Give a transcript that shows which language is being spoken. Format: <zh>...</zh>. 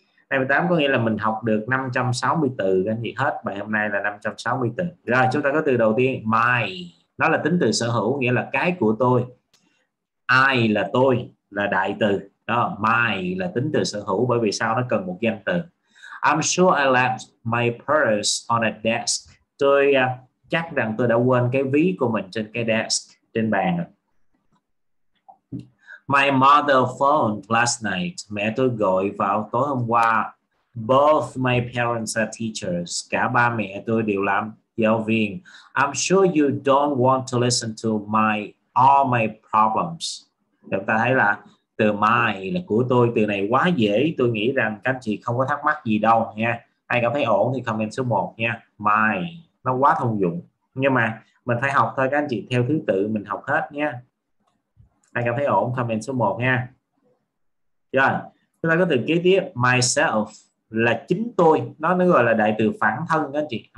<vi>28 có nghĩa là mình học được 560 từ, các anh chị hết. Bài hôm nay là 560 từ. Rồi, chúng ta có từ đầu tiên, my. Nó là tính từ sở hữu, nghĩa là cái của tôi. I là tôi, là đại từ. Đó, my là tính từ sở hữu, bởi vì sao nó cần một danh từ.</vi> <en>I'm sure I left my purse on a desk.</en> <vi>Tôi chắc rằng tôi đã quên cái ví của mình trên cái desk, trên bàn.</vi> <en>My mother phoned last night.</en> <vi>Mẹ tôi gọi vào tối hôm qua.</vi> <en>Both my parents are teachers.</en> <vi>Cả ba mẹ tôi đều làm giáo viên.</vi> <en>I'm sure you don't want to listen to my all my problems.</en> <vi>Chúng ta thấy là từ my là của tôi, từ này quá dễ, tôi nghĩ rằng các anh chị không có thắc mắc gì đâu nha. Ai cảm thấy ổn thì comment số 1 nha. My nó quá thông dụng, nhưng mà mình phải học thôi các anh chị, theo thứ tự mình học hết nha. Ai cảm thấy ổn comment số 1 nha. Rồi, chúng ta có từ kế tiếp, myself là chính tôi, nó gọi là đại từ phản thân các anh chị.</vi>